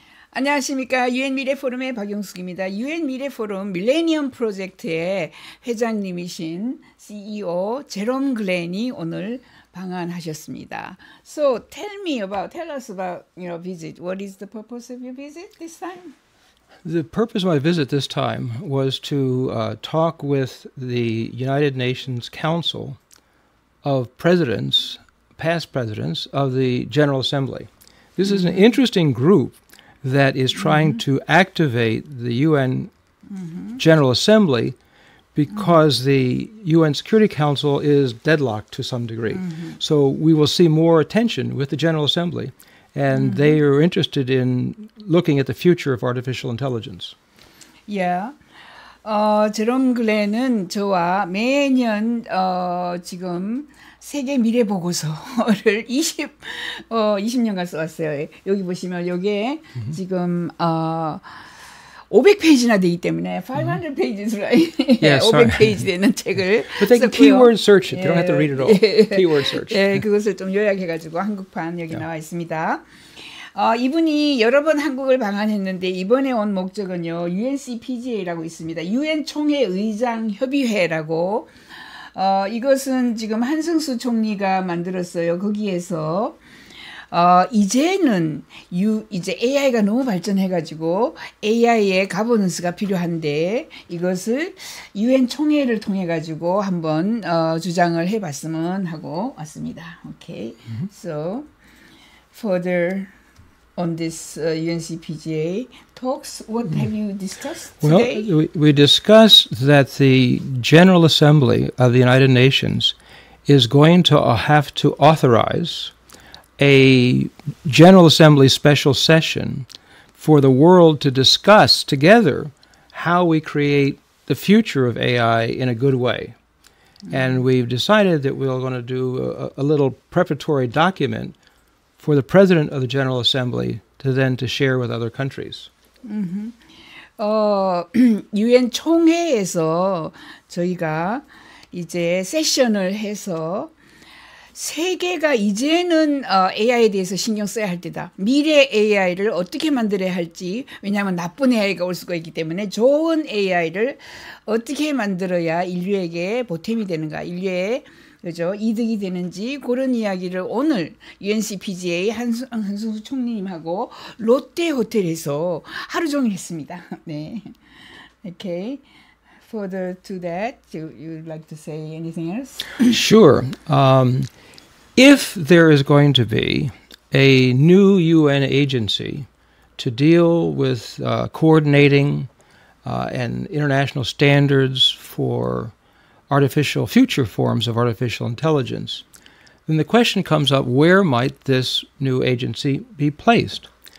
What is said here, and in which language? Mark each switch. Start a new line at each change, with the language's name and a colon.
Korean: 안녕하십니까. 유엔 미래포럼의 박영숙입니다. 유엔 미래포럼 밀레니엄 프로젝트의 회장님이신 CEO 제롬 글렌이 오늘 방한하셨습니다.
English: So tell me about, tell us about your visit. What is the purpose of your visit this time? The purpose of my visit this time was to talk with the United Nations Council of Presidents, past presidents of the General Assembly. This is an interesting group that is trying to activate the UN General Assembly because the UN Security Council is deadlocked to some degree. So we will see more attention with the General Assembly, and they are interested in looking at the future of artificial intelligence. Yeah.
Korean: 제롬 글렌은 저와 매년 지금 세계 미래 보고서를 20년간 써왔어요. 여기 보시면 이게 지금 500페이지나 되기 때문에 500페이지 500페이지 되는 책을 썼고요.
English: Keyword search. You don't have to read it all. Keyword search.
Korean: 예, 그것을 좀 요약해가지고 한국판 여기 나와 있습니다. 이분이 여러 번 한국을 방한했는데 이번에 온 목적은요. UNCPGA라고 있습니다. UN 총회 의장 협의회라고. 이것은 지금 한승수 총리가 만들었어요. 거기에서 이제는 이제 AI가 너무 발전해 가지고 AI의 가버넌스가 필요한데 이것을 UN 총회를 통해 가지고 한번 주장을 해 봤으면 하고 왔습니다. 오케이.
English: So further on this UNCPGA talks, what have you discussed today? Well, we discussed that the General Assembly of the United Nations is going to have to authorize a General Assembly special session for the world to discuss together how we create the future of AI in a good way. And we've decided that we're going to do a little preparatory document for the president of the General Assembly to then to share with other countries.
Korean: UN 총회에서 저희가 이제 세션을 해서 세계가 이제는 AI에 대해서 신경 써야 할 때다. 미래 AI를 어떻게 만들어야 할지, 왜냐하면 나쁜 AI가 올 수가 있기 때문에 좋은 AI를 어떻게 만들어야 인류에게 보탬이 되는가, 인류의 그죠? 이득이 되는지 그런 이야기를 오늘 UNCPGA 한승수 총리님하고 롯데 호텔에서 하루 종일 했습니다. 네.
English: Okay. Further to that, you'd like to say anything else? Sure. If there is going to be a new UN agency to deal with coordinating and international standards for artificial future forms of artificial intelligence, then the question comes up, where might this new agency be placed?